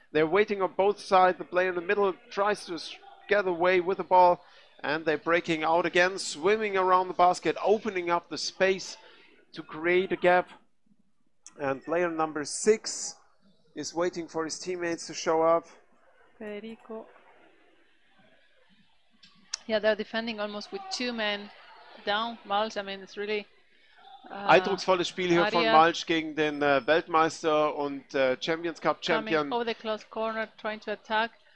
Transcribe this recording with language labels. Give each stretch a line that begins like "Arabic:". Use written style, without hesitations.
English: They're waiting on both sides. The player in the middle tries to get away with the ball, and they're breaking out again, swimming around the basket, opening up the space to create a gap. And player number six is waiting for his teammates to show up. Federico. Yeah, they're defending almost with two men down. Malsch, I mean, it's really...
German: Eindrucksvolles Spiel hier von Malsch gegen den Weltmeister und Champions Cup Champion.
English: Coming over the close corner, trying to attack.